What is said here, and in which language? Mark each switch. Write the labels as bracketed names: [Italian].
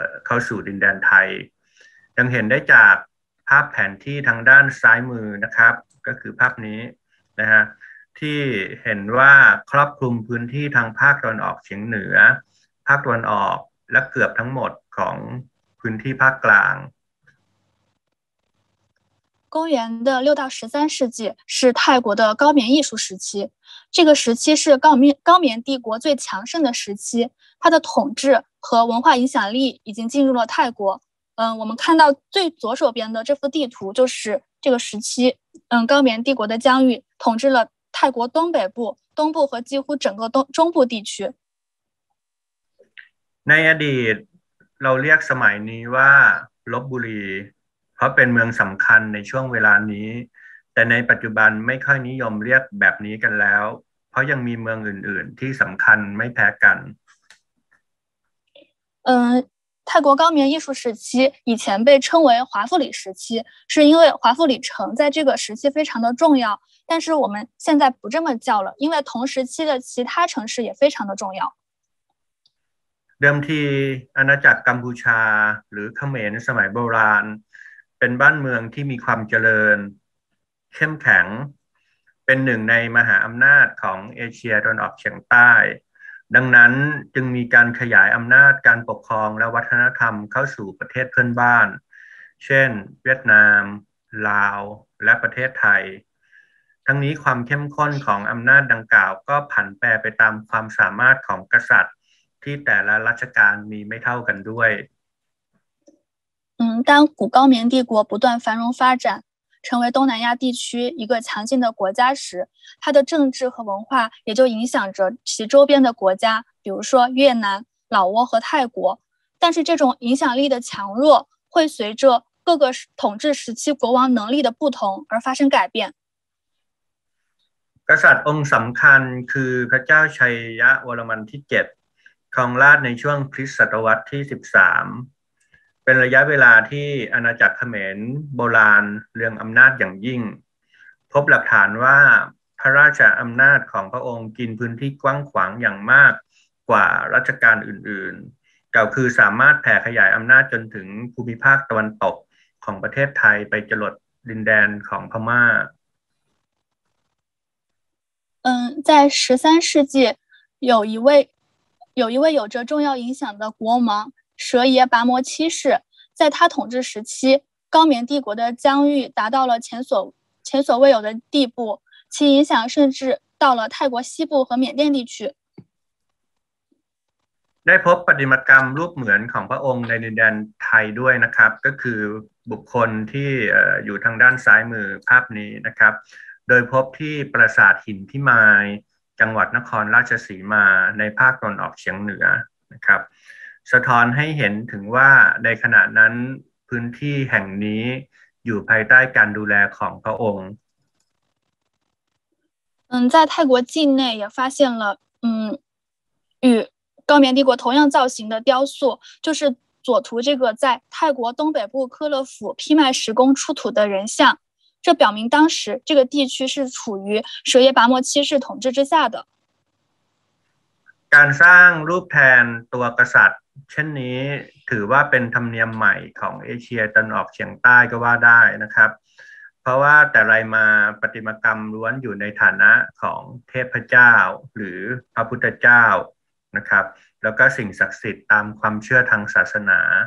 [Thai] าสู่ดินแดนไทยยังเห็นได้จากภาพแผนที่ทางด้านซ้ายมือนะครับก็คือภาพนี้นะฮะที่เห็นว่าครอบคลุมพื้นที่ทางภาคตะวันออกเฉียงเหนือภาคตะวันออกและเกือบทั้งหมดของพื้นที่ภาคกลาง [Chinese] 公元的6到13世纪是泰国的高棉艺术时期这个时期是高棉帝国最强盛的时期它的统治和文化影响力已经进入了泰国我们看到最左手边的这幅地图就是这个时期高棉帝国的疆域统治了泰国东北部东部和几乎整个中部地区 [Thai] ในอดีตเราเรียกสมัยนี้ว่าลพบุรีเพราะเป็นเมืองสำคัญในช่วงเวลานี้แต่ในปัจจุบันไม่ค่อยนิยมเรียกแบบนี้กันแล้วเพราะยังมีเมืองอื่นๆที่สำคัญไม่แพ้กัน [Chinese] 泰国高棉艺术时期以前被称为华富里时期是因为华富里城在这个时期非常的重要但是我们现在不这么叫了因为同时期的其他城市也非常的重要 [Thai] เดิมทีอาณาจักรกัมพูชาหรือเขมรสมัยโบราณเป็นบ้านเมืองที่มีความเจริญเข้มแข็งเป็นหนึ่งในมหาอำนาจของเอเชียตะวันออกเฉียงใต้ดังนั้นจึงมีการขยายอำนาจการปกครองและวัฒนธรรมเข้าสู่ประเทศเพื่อนบ้านเช่นเวียดนามลาวและประเทศไทยทั้งนี้ความเข้มข้นของอำนาจดังกล่าวก็ผันแปรไปตามความสามารถของกษัตริย์ที่แต่ละรัชกาลมีไม่เท่ากันด้วย [Chinese] 当古高棉帝国不断繁荣发展，成为东南亚地区一个强劲的国家时，它的政治和文化也就影响着其周边的国家，比如说越南、老挝和泰国。但是这种影响力的强弱会随着各个统治时期国王能力的不同而发生改变。 [Thai] กษัตริย์องค์สำคัญคือพระเจ้าชัยยะวรมันที่7ครองราชในช่วงคริสต์ศตวรรษที่13เป็นระยะเวลาที่อาณาจักรเขมรโบราณเรื่องอำนาจอย่างยิ่งพบหลักฐานว่าพระราชอำนาจของพระองค์กินพื้นที่กว้างขวางอย่างมากกว่ารัชกาลอื่นๆก็คือสามารถแผ่ขยายอำนาจจนถึงภูมิภาคตะวันตกของประเทศไทยไปจรดดินแดนของพม่า [Chinese] 在13世纪有一位有着重要影响的国王蛇爷拔摩七世，在他统治时期，高棉帝国的疆域达到了前所未有的地步，其影响甚至到了泰国西部和缅甸地区。 [Thai] ได้พบปฏิมากรรมรูปเหมือนของพระองค์ในดินแดนไทยด้วยนะครับก็คือบุคคลที่อยู่ทางด้านซ้ายมือภาพนี้นะครับโดยพบที่ปราสาทหินพิมายจังหวัดนครราชสีมาในภาคตะวันออกเฉียงเหนือนะครับสะท้อนให้เห็นถึงว่าในขณะนั้นพื้นที่แห่งนี้อยู่ภายใต้การดูแลของพระองค์ [Chinese] 在泰国境内也发现了与高棉帝国同样造型的雕塑就是左图这个在泰国东北部科勒府披麦石宫出土的人像这表明当时这个地区是处于蛇爷拔摩七世统治之下的 [Thai] การสร้างรูปแทนตัวกษัตริย์เช่นนี้ถือว่าเป็นธรรมเนียมใหม่ของเอเชียตะวันออกเฉียงใต้ก็ว่าได้นะครับเพราะว่าแต่ไรมาปฏิมากรรมล้วนอยู่ในฐานะของเทพเจ้าหรือพระพุทธเจ้านะครับแล้วก็สิ่งศักดิ์สิทธิ์ตามความเชื่อทางศาสนา